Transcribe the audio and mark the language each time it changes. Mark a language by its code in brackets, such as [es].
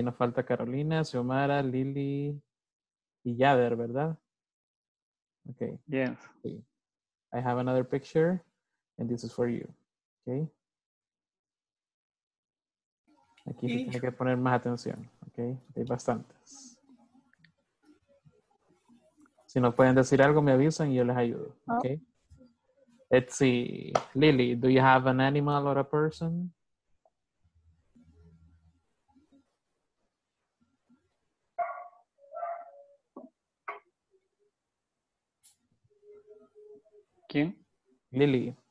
[es] Nos falta Carolina, Xiomara, Lily y Yader, ¿verdad? [en] Okay. Yes. Okay. I have another picture, and this is for you, okay? [es] Aquí se tiene que poner más atención, okay? Hay bastantes. Si nos pueden decir algo, me avisan y yo les ayudo, okay? [en] Oh. Let's see. Lily, do you have an animal or a person? [es] ¿Quién? Lily.